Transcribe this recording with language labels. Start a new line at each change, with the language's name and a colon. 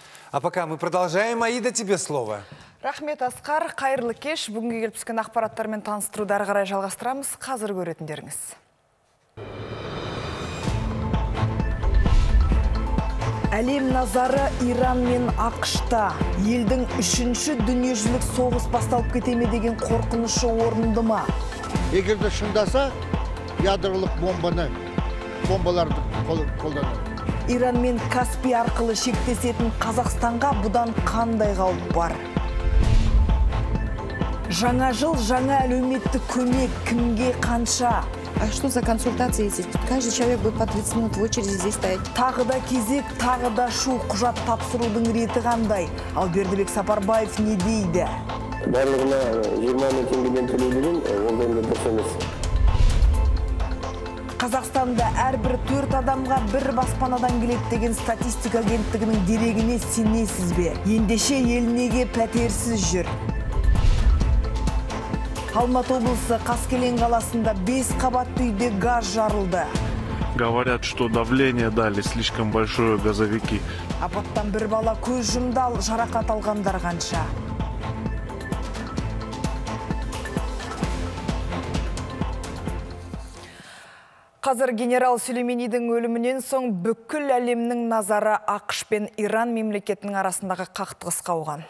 Russian: А пока мы продолжаем, Аида, тебе слово.
Kazakh: Рахмет, Асқар. Қайырлы кеш. Бүгінге келіп түскен ақпараттармен таныстыруды ары қарай жалғастырамыз. Қазір көретіндеріңіз. Әлем назары Иран мен Ақшта. Елдің үшінші дүниежүзілік соғыс басталып кетеме деген қорқынышы орынды ма? Егер де шындаса, ядролық бомбаны, бомбаларды қолданады. Иран мен Каспи арқылы шектесетін Қазақстанға бұдан қандай қауіп бар? Жаңа жыл, жаңа әлеуметтік көмек кімге қанша?
Russian: А что за консультация здесь? Каждый человек будет по 30 минут в очереди здесь стоять.
Kazakh: Тағы да кезек, тағы да шу, құжат тапсырудың реті қандай? Ал Бердібек Сапарбаев не дейді? Барлығына 20 мың теңгеден төлей берем, ондай да дұрыс емес. Қазақстанда әрбір төрт адамға бір баспанадан келеді деген статистика агенттігінің дерегіне сенесіз бе? Ендеше ел неге пәтерсіз жүр? Алматы облысы Қаскелең қаласында 5 қабатты үйде газ жарылды.
Russian: Говорят, что давление дали слишком большое газовики.
Kazakh: Апаттан бір бала көз жұмды, ал жарақат алғандар қанша? Қазір генерал Сүлейменидің өлімінен соң бүкіл әлемнің назары Ақш пен Иран мемлекетінің арасындағы қақтығысқа ауған.